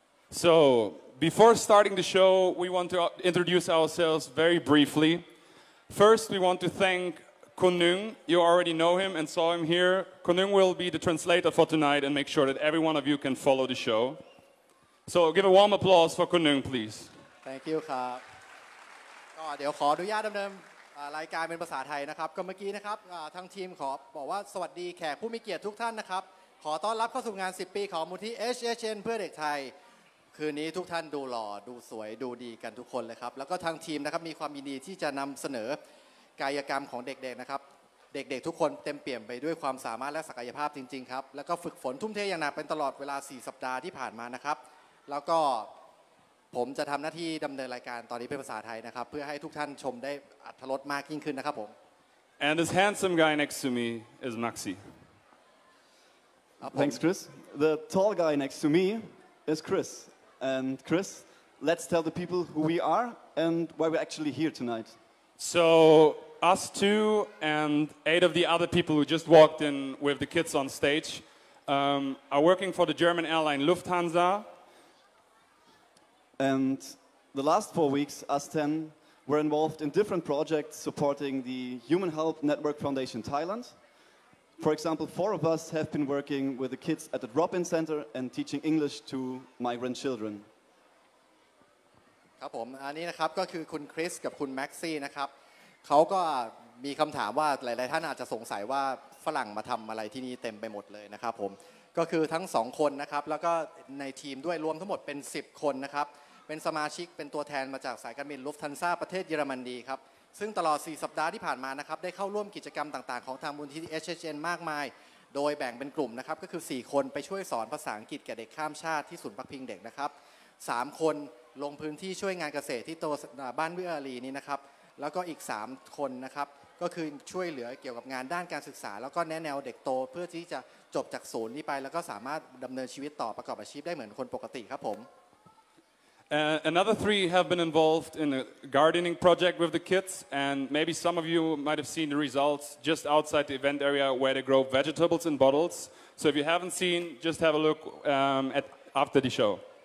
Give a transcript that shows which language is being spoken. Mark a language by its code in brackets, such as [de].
[en] So, before starting the show, we want to introduce ourselves very briefly. First, we want to thank Kunung. You already know him and saw him here. Kunung will be the translator for tonight and make sure that every one of you can follow the show. So, give a warm applause for Kunung, please. Thank you, [th] ครับ ก็เดี๋ยวขออนุญาตดำเนินรายการเป็นภาษาไทยนะครับ ก็เมื่อกี้นะครับ ทางทีมขอบอกว่าสวัสดีแขกผู้มีเกียรติทุกท่านนะครับ ขอต้อนรับเข้าสู่งาน 10 ปีของมูลนิธิ HHN เพื่อเด็กไทย คืนนี้ทุกท่านดูหล่อดูสวยดูดีกันทุกคนเลยครับแล้วก็ทางทีมนะครับมีความยินดีที่จะนำเสนอกายกรรมของเด็กๆนะครับเด็กๆทุกคนเต็มเปี่ยมไปด้วยความสามารถและศักยภาพจริงๆครับแล้วก็ฝึกฝนทุ่มเทอย่างหนักเป็นตลอดเวลา4สัปดาห์ที่ผ่านมานะครับแล้วก็ผมจะทำหน้าที่ดำเนินรายการตอนนี้เป็นภาษาไทยนะครับเพื่อให้ทุกท่านชมได้อรรถรสมากยิ่งขึ้นนะครับผม [en] And this handsome guy next to me is Maxi Thanks Chris The tall guy next to me is ChrisAnd Chris, let's tell the people who we are and why we're actually here tonight. So us two and eight of the other people who just walked in with the kids on stage are working for the German airline Lufthansa. And the last 4 weeks, us 10 were involved in different projects supporting the Human Help Network Foundation Thailand. For example, four of us have been working with the kids at the drop-in center and teaching English to migrant children. [th] ครับผมอันนี้นะครับก็คือคุณคริสกับคุณแม็กซี่นะครับเขาก็มีคำถามว่าหลายๆท่านอาจจะสงสัยว่าฝรั่งมาทำอะไรที่นี่เต็มไปหมดเลยนะครับผมก็คือทั้งสองคนนะครับแล้วก็ในทีมด้วยรวมทั้งหมดเป็น10คนนะครับเป็นสมาชิกเป็นตัวแทนมาจากสายการบินลุฟทันซ่าประเทศเยอรมนีครับซึ่งตลอด4สัปดาห์ที่ผ่านมานะครับได้เข้าร่วมกิจกรรมต่างๆของทางมูลนิธิ HHN มากมาย โดยแบ่งเป็นกลุ่มนะครับก็คือ4คนไปช่วยสอนภาษาอังกฤษแก่เด็กข้ามชาติที่ศูนย์พักพิงเด็กนะครับ3คนลงพื้นที่ช่วยงานเกษตรที่โต บ้านเวียรีนี้นะครับแล้วก็อีก3คนนะครับก็คือช่วยเหลือเกี่ยวกับงานด้านการศึกษาแล้วก็แนะแนวเด็กโตเพื่อที่จะจบจากศูนย์นี้ไปแล้วก็สามารถดำเนินชีวิตต่อประกอบอาชีพได้เหมือนคนปกติครับผม [en] Another three have been involved in a gardening project with the kids, and maybe some of you might have seen the results just outside the event area where they grow vegetables in bottles. So if you haven't seen, just have a look after the show.